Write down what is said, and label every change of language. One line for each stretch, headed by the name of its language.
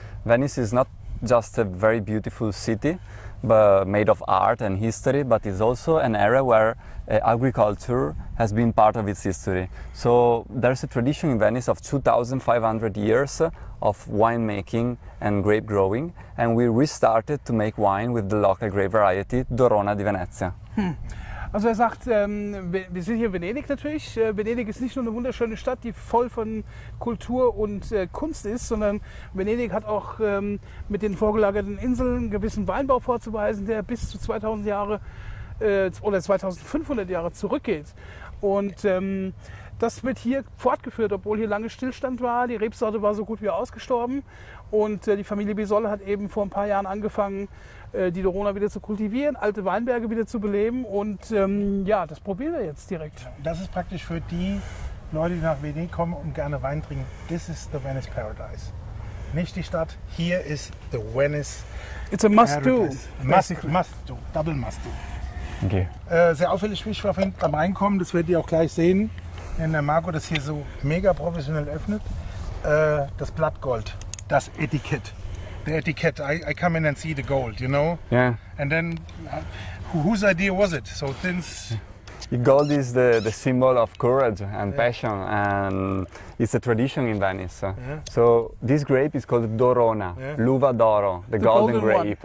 English: Venice is not just a very beautiful city, but made of art and history, but it's also an area where agriculture has been part of its history. So there's a tradition in Venice of 2,500 years of winemaking and grape growing, and we restarted to make wine with the local grape variety, Dorona di Venezia.
German: Also er sagt, wir sind hier in Venedig natürlich. Venedig ist nicht nur eine wunderschöne Stadt, die voll von Kultur und Kunst ist, sondern Venedig hat auch mit den vorgelagerten Inseln einen gewissen Weinbau vorzuweisen, der bis zu 2000 Jahre oder 2500 Jahre zurückgeht. Und das wird hier fortgeführt, obwohl hier lange Stillstand war. Die Rebsorte war so gut wie ausgestorben. Und die Familie Bisol hat eben vor ein paar Jahren angefangen, die Dorona wieder zu kultivieren, alte Weinberge wieder zu beleben. Und ja, das probieren wir jetzt direkt. Das ist praktisch für die Leute, die nach Venedig kommen und gerne Wein trinken.
English: This is the Venice Paradise.
German: Nicht die Stadt, hier ist
English: the Venice. It's a must paradise. Do. Must do. Double must do. Okay.
German: Sehr auffällig, wie ich war vorhin beim Reinkommen, das werdet ihr auch gleich sehen, wenn der Marco das hier so mega professionell öffnet. Das Blattgold, das Etikett.
English: The Etikett, I come in and see the gold, you know? Yeah. And then, whose idea was it? So since... The gold is the symbol of courage and passion, and it's a tradition in Venice. Yeah. So this grape is called Dorona,
Italian: l'uva d'oro,
English: the golden grape.